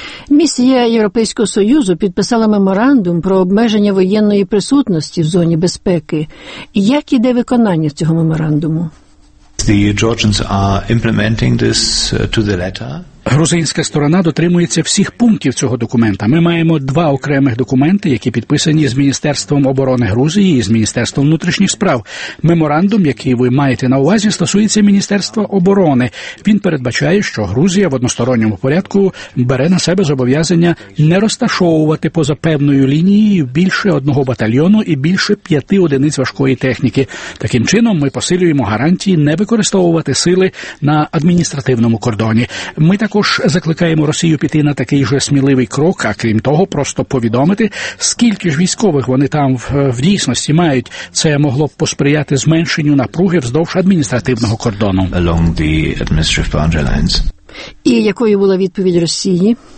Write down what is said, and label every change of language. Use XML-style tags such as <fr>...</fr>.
<uk>Місія Європейського Союзу підписала меморандум про обмеження воєнної присутності в зоні безпеки. Як іде виконання цього меморандуму?</uk> <en>The Georgians are implementing this to the letter.</en> <uk>Грузинська сторона дотримується всіх пунктів цього документа. Ми маємо два окремих документи, які підписані з Міністерством оборони Грузії і з Міністерством внутрішніх справ. Меморандум, який ви маєте на увазі, стосується Міністерства оборони. Він передбачає, що Грузія в односторонньому порядку бере на себе зобов'язання не розташовувати поза певною лінією більше одного батальйону і більше п'яти одиниць важкої техніки. Таким чином, ми посилюємо гарантії не використовувати сили на адміністративному кордоні. Ми також закликаємо Росію піти на такий же сміливий крок, а крім того, просто повідомити, скільки ж військових вони там в дійсності мають. Це могло б посприяти зменшенню напруги вздовж адміністративного кордону.</uk> <en>Along the administrative boundary lines.</en> <uk>І якою була відповідь Росії?</uk>